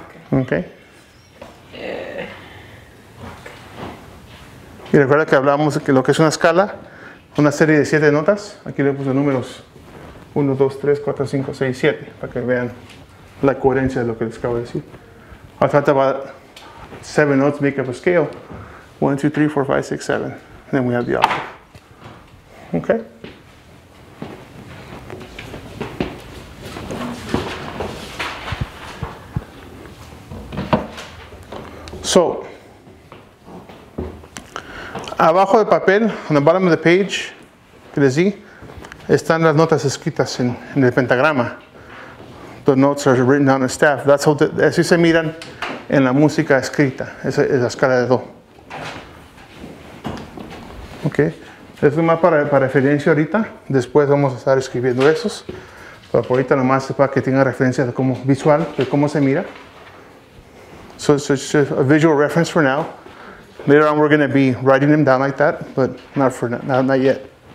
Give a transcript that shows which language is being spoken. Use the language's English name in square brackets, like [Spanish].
[Spanish] Ok. Y recuerda que hablábamos de que lo que es una escala, una serie de 7 notas. Aquí le puse números 1, 2, 3, 4, 5, 6, 7, para que vean la coherencia de lo que les acabo de decir. [English] I thought about 7 notes make up a scale. 1, 2, 3, 4, 5, 6, 7. Then we have the octave. Ok. [Spanish] So, abajo del papel, [English] on the bottom of the page, [Spanish] que les di, están las notas escritas en el pentagrama. [English] The notes are written on the staff. That's how [Spanish] así se miran en la música escrita. Esa es la escala de do. Okay. Esto es más para referencia ahorita. Después vamos a estar escribiendo esos. Pero por ahorita nomás es para que tengan referencia de cómo visual, de cómo se mira. [English] So it's just a visual reference for now. Later on, we're going to be writing them down like that, but not yet.